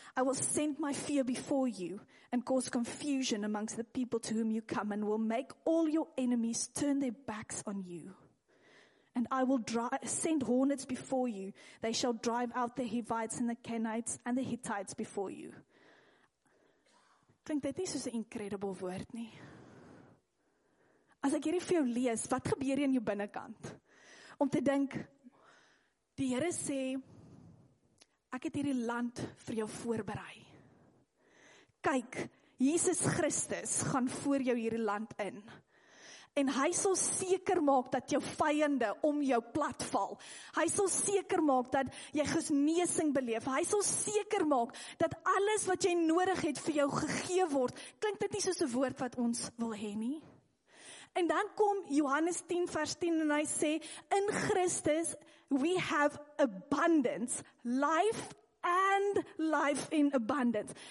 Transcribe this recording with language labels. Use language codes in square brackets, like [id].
[en] I will send my fear before you and cause confusion amongst the people to whom you come, and will make all your enemies turn their backs on you. And I will send hornets before you. They shall drive out the Hivites and the Kenites and the Hittites before you. [af] Klink dit nie soos 'n incredible woord nie? As ek hierdie vir jou lees, wat gebeur in jou binnenkant? Om te dink, die Here sê, ek het hierdie land vir jou voorberei. Kyk, Jesus Christus gaan voor jou hierdie land in. En hy sal seker maak dat jou vyande om jou plat val. Hy sal seker maak dat jy genesing beleef. Hy sal seker maak dat alles wat jy nodig het vir jou gegee word. Klink dit nie soos 'n woord wat ons wil hê nie? En dan kom Johannes 10 vers 10 en hy sê, in Christus we have abundance, life and life in abundance.